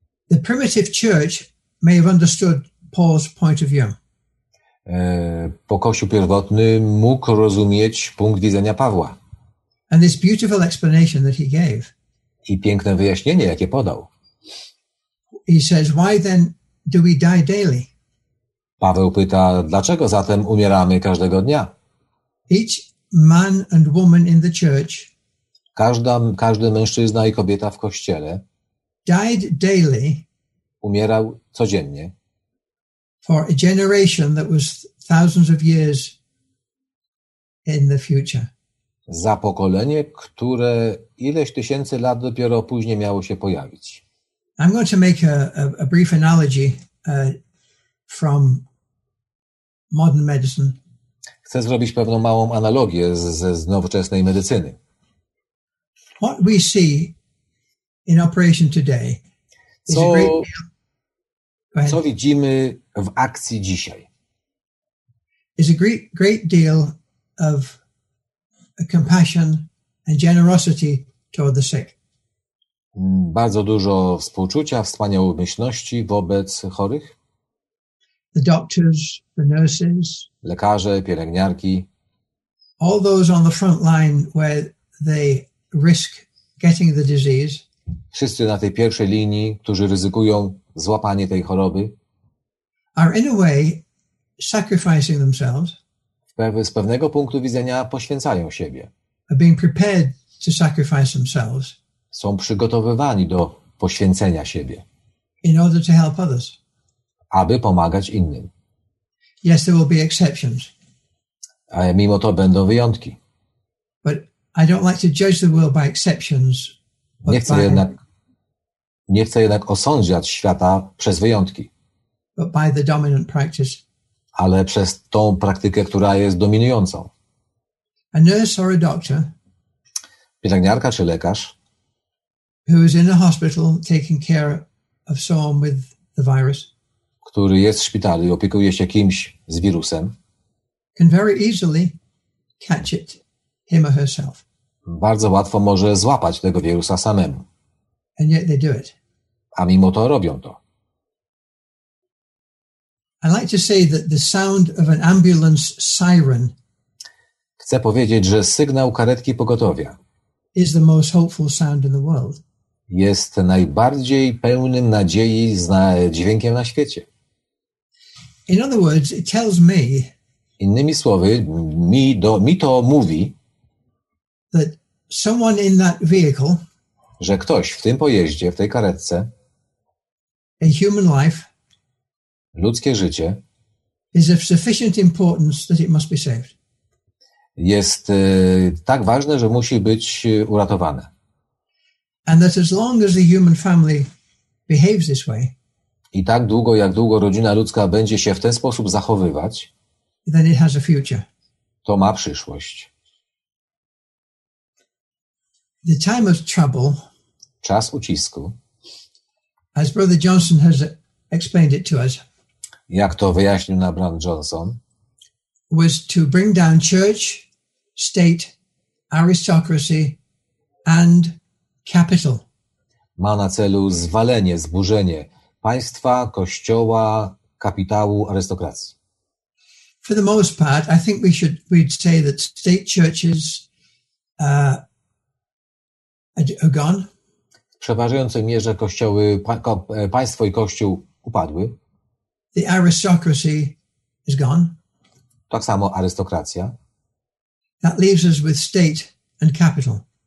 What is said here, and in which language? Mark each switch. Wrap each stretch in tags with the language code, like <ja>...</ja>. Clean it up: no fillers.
<en>The primitive church may have understood Paul's point of view.</en> <pl>Po Kościół pierwotny mógł rozumieć punkt widzenia Pawła.</pl> <en>And this beautiful explanation that he gave.</en> <pl>I piękne wyjaśnienie, jakie podał.</pl> <en>He says, why then do we die daily?</en> <pl>Paweł pyta, dlaczego zatem umieramy każdego dnia?</pl> <en>Each man and woman in the church.</en> <pl>Każdy mężczyzna i kobieta w kościele.</pl> <en>Died daily.</en> <pl>Umierał codziennie.</pl> <en>For a generation that was thousands of years in the future.</en> <pl>Za pokolenie, które ileś tysięcy lat dopiero później miało się pojawić.</pl> <en>I'm going to make a brief analogy from modern medicine.</en> <pl>Chcę zrobić pewną małą analogię z nowoczesnej medycyny.</pl> <en>What we see in operation today is</en> <pl>co,</pl> <en>a great deal.</en> <pl>Co widzimy w akcji dzisiaj?</pl> <en>Is a great deal of compassion and generosity toward the sick.</en> <pl>Bardzo dużo współczucia, wspaniałomyślności wobec chorych.</pl> <en>The doctors, the nurses,</en> <pl>lekarze, pielęgniarki.</pl> <en>All those on the front line where they risk getting the disease.</en> <pl>Wszyscy na tej pierwszej linii, którzy ryzykują złapanie tej choroby.</pl> <en>Are in a way sacrificing themselves.</en> <pl>Z pewnego punktu widzenia poświęcają siebie.</pl> <en>Are being prepared to sacrifice themselves.</en> <pl>Są przygotowywani do poświęcenia siebie.</pl> <en>In order to help others.</en> <pl>Aby pomagać innym.</pl> <en>Yes, there will be exceptions.</en> <pl>A mimo to będą wyjątki.</pl> <en>But I don't like to judge the world by exceptions.</en> <pl>Nie chcę jednak osądzać świata przez wyjątki.</pl> <en>But by the dominant practice.</en> <pl>Ale przez tą praktykę, która jest dominującą.</pl> <en>A nurse or a doctor.</en> <pl>Pielęgniarka czy lekarz.</pl> <en>Who is in a hospital taking care of someone with the virus.</en> <pl>Który jest w szpitalu i opiekuje się kimś z wirusem.</pl> <en>Can very easily catch it, him or herself.</en> <pl>Bardzo łatwo może złapać tego wirusa samemu.</pl> <en>And yet they do it.</en> <pl>A mimo to robią to.</pl> <en>I like to say that the sound of an ambulance siren.</en> <pl>Chcę powiedzieć, że sygnał karetki pogotowia.</pl> <en>Is the most hopeful sound in the world.</en> <pl>Jest najbardziej pełnym nadziei dźwiękiem na świecie.</pl> <en>In other words, it tells me.</en> <pl>Innymi słowy, mi to mówi.</pl> <en>That someone in that vehicle.</en> <pl>Że ktoś w tym pojeździe, w tej karetce.</pl> <en>A human life.</en> <pl>Ludzkie życie.</pl> <en>Is of sufficient importance that it must be saved.</en> <pl>Jest tak ważne, że musi być uratowane.</pl> <en>And that as long as the human family behaves this way.</en> <pl>I tak długo, jak długo rodzina ludzka będzie się w ten sposób zachowywać.</pl> <en>Then it has a future.</en> <pl>To ma przyszłość.</pl> <en>The time of trouble.</en> <pl>Czas ucisku.</pl> <en>As Brother Johnson has explained it to us.</en> <pl>Jak to wyjaśnił nam Brother Johnson.</pl> <en>Was to bring down church, state, aristocracy and capital.</en> <pl>Ma na celu zwalenie, zburzenie państwa, kościoła, kapitału, arystokracji.</pl> <en>For the most part, I think we'd say that state churches are gone.</en> <pl>W przeważającej mierze kościoły, państwo i kościół upadły.</pl> <en>The aristocracy is gone.</en> <pl>Tak samo arystokracja.</pl> <en>That leaves us with state and capital.</en>